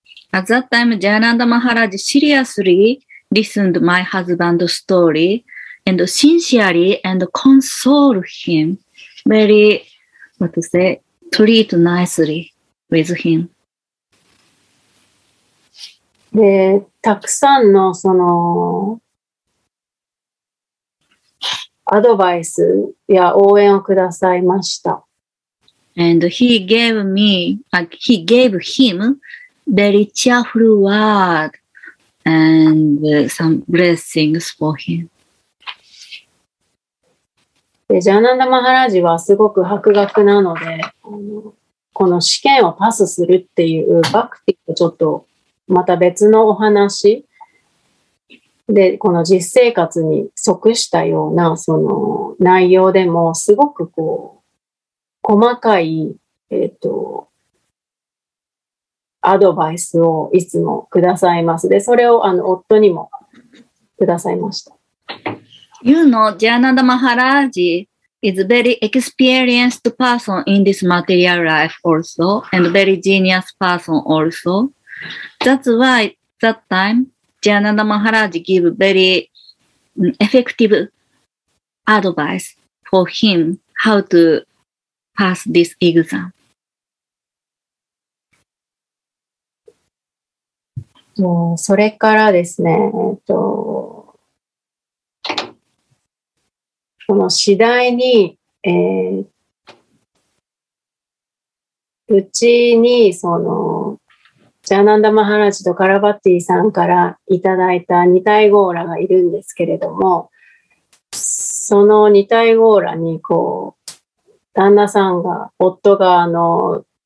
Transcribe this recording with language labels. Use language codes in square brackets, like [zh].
[en] At that time, Jayananda Maharaj seriously listened my husband's story and sincerely and console him very, what to say, treat nicely with him. [ja] で、たくさんのそのアドバイスや応援をくださいました。 [en] And he gave me, he gave him very cheerful word and some blessings for him. [ja] ジャーナンダ・マハラージはすごく博学なので、この試験をパスするっていうバクティとちょっとまた別のお話。で、この実生活に即したような、その内容でも、すごくこう、細かい、アドバイスをいつもくださいます。で、それを、あの、夫にもくださいました。 [en] You know, Jayananda Maharaj is very experienced person in this material life also, and very genius person also. That's why, that time,Jayananda Maharaj gave very effective advice for him how to pass this exam. [ja] もうそれからですね、この次第に、うちにそのジャーナンダ・マハラジとカラバッティさんからいただいた二体ゴーラがいるんですけれども、その二体ゴーラに、こう、旦那さんが、夫が、あの、